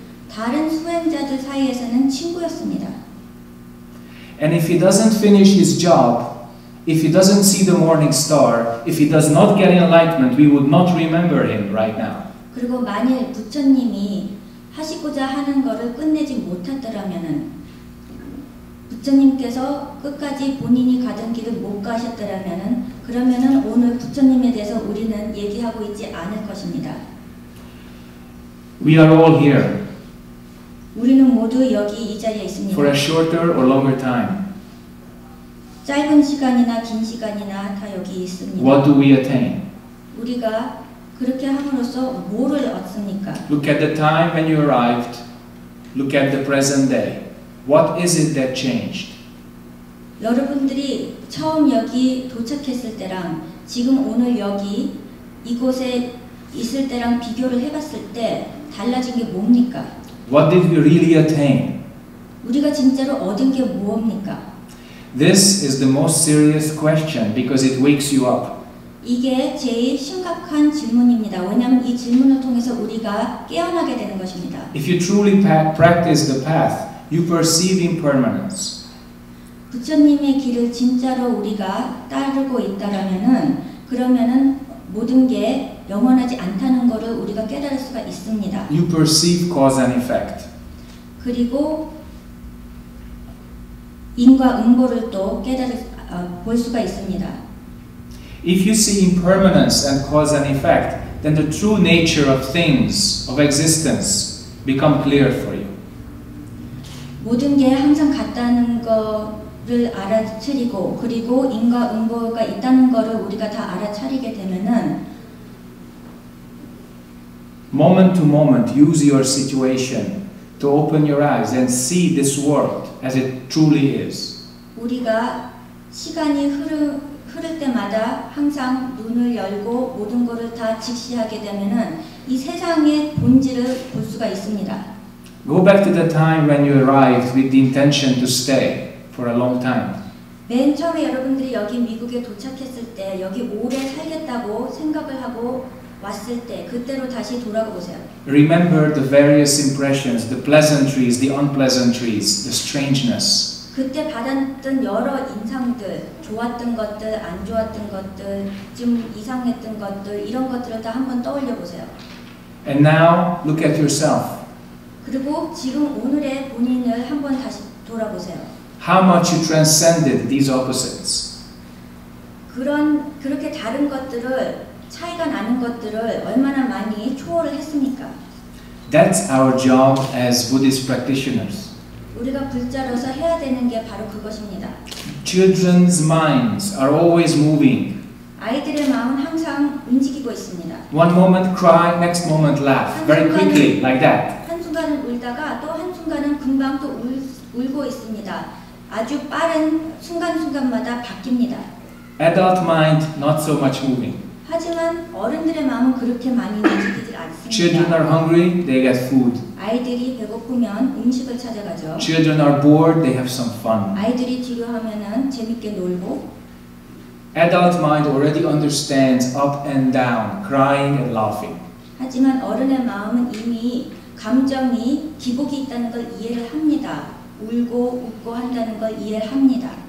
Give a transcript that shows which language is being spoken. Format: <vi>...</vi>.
<ko>다른 수행자들 사이에서는 친구였습니다.</ko> <en>And if he doesn't finish his job, if he doesn't see the morning star, if he does not get enlightenment, we would not remember him right now.</en> <ko>그리고 만일 부처님이 하시고자 하는 것을 끝내지 못했더라면은 부처님께서 끝까지 본인이 가던 길을 못 가셨더라면은 그러면은 오늘 부처님에 대해서 우리는 얘기하고 있지 않을 것입니다.</ko> <en>We are all here.</en> <ko>우리는 모두 여기 이 자리에 있습니다.</ko> <en>For a shorter or longer time.</en> <ko>짧은 시간이나 긴 시간이나 다 여기 있습니다.</ko> <en>What do we attain?</en> <ko>우리가 그렇게 함으로써 뭐를 얻습니까?</ko> <en>Look at the time when you arrived. Look at the present day. What is it that changed?</en> <ko>여러분들이 처음 여기 도착했을 때랑 지금 오늘 여기 이곳에 있을 때랑 비교를 해봤을 때 달라진 게 뭡니까?</ko> <en>What did we really attain?</en> <ko>우리가 진짜로 얻은 게 무엇입니까?</ko> <en>This is the most serious question because it wakes you up.</en> <ko>이게 제일 심각한 질문입니다. 왜냐하면 이 질문을 통해서 우리가 깨어나게 되는 것입니다.</ko> <en>If you truly practice the path, you perceive impermanence.</en> <ko>부처님의 길을 진짜로 우리가 따르고 있다라면은 그러면은 모든 게 영원하지 않다는 것을 우리가 깨달을 수가 있습니다.</ko> <en>You perceive cause and effect.</en> <ko>그리고 인과 응보를 또 깨달을 볼 수가 있습니다.</ko> <en>If you see impermanence and cause and effect, then the true nature of things, of existence, become clear for you.</en> <ko>모든 게 항상 같다는 것을 알아차리고 그리고 인과 응보가 있다는 것을 우리가 다 알아차리게 되면은.</ko> <en>Moment to moment, use your situation to open your eyes and see this world as it truly is.</en> <ko>우리가 시간이 흐를 때마다 항상 눈을 열고 모든 것을 다 직시하게 되면은 이 세상의 본질을 볼 수가 있습니다.</ko> <en>Go back to the time when you arrived with the intention to stay for a long time.</en> <ko>맨 처음에 여러분들이 여기 미국에 도착했을 때 여기 오래 살겠다고 생각을 하고 왔을 때 그때로 다시 돌아가 보세요.</ko> <en>Remember the various impressions, the pleasantries, the unpleasantries, the strangeness.</en> <ko>그때 받았던 여러 인상들, 좋았던 것들, 안 좋았던 것들, 좀 이상했던 것들 이런 것들을 다 한번 떠올려 보세요.</ko> <en>And now look at yourself.</en> <ko>그리고 지금 오늘의 본인을 한번 다시 돌아보세요.</ko> <en>How much you transcended these opposites?</en> <ko>그렇게 다른 것들을 차이가 나는 것들을 얼마나 많이 초월을 했습니까?</ko> <en>That's our job as Buddhist practitioners.</en> <ko>우리가 불자로서 해야 되는 게 바로 그것입니다.</ko> <en>Children's minds are always moving.</en> <ko>아이들의 마음은 항상 움직이고 있습니다.</ko> <en>One moment cry, next moment laugh, very quickly, like that.</en> <ko>한 순간은 울다가 또 한 순간은 금방 또 울고 있습니다. 아주 빠른 순간순간마다 바뀝니다.</ko> <en>Adult mind not so much moving.</en> <ko>하지만 어른들의 마음은 그렇게 많이 움직이질 않습니다.</ko> <en>Children are hungry, they get food.</en> <ko>아이들이 배고프면 음식을 찾아가죠.</ko> <en>Children are bored, they have some fun.</en> <ko>아이들이 지루하면은 재밌게 놀고.</ko> <en>Adult mind already understands up and down, crying and laughing.</en> <ko>하지만 어른의 마음은 이미 감정이 기복이 있다는 걸 이해를 합니다. 울고 웃고 한다는 걸 이해합니다.</ko>